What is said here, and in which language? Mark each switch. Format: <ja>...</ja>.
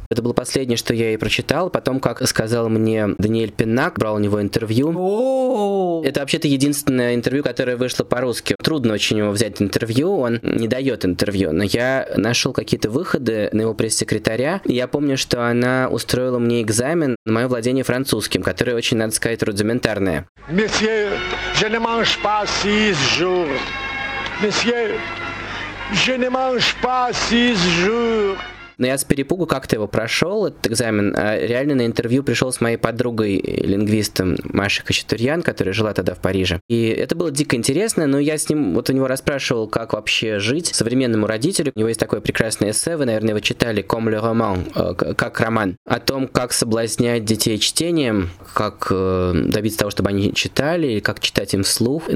<ru>Это было последнее, что я ей прочитал. Потом, как сказал мне Даниэль Пиннак, брал у него интервью. Это вообще-то единственное интервью, которое вышло по-русски. Трудно очень ему взять интервью, он не дает интервью. Но я нашел какие-то выходы на его пресс-секретаря. Я помню, что она устроила мне экзамен на мое владение французским, которое очень, надо сказать, рудиментарное.</ru> <fr>Месье, je ne mange pas six jours. Месье, je ne mange pas six jours.</fr> <ru>Но я с перепугу как-то его прошел, этот экзамен, а реально на интервью пришел с моей подругой-лингвистом Машей Кочетурьян, которая жила тогда в Париже. И это было дико интересно, но я с ним, вот у него расспрашивал, как вообще жить современному родителю. У него есть такое прекрасное эссе, вы, наверное, его читали, «Comme le roman», как роман, о том, как соблазнять детей чтением, как добиться того, чтобы они читали, и как читать им вслух.</ru>